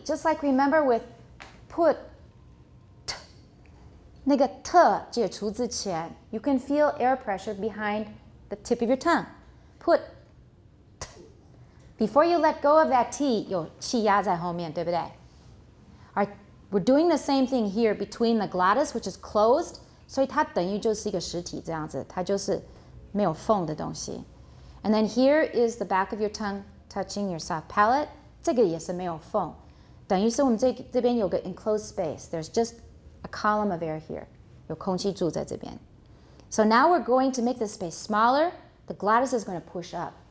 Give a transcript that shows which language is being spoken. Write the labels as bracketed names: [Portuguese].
[English] Just like remember with put, t, [Chinese] 那个t解除之前, [English] you can feel air pressure behind the tip of your tongue. Put, t. Before you let go of that t, [Chinese] 有气压在后面, 对不对? [English] Our We're doing the same thing here between the glottis, which is closed. [Chinese] 所以它等于就是一个实体这样子，它就是没有缝的东西。 [English] And then here is the back of your tongue touching your soft palate. [Chinese] 这个也是没有缝，等于是我们这边有个 [English] enclosed space. There's just a column of air here. [Chinese] 有空气住在这边。 [English] So now we're going to make the space smaller. The glottis is going to push up.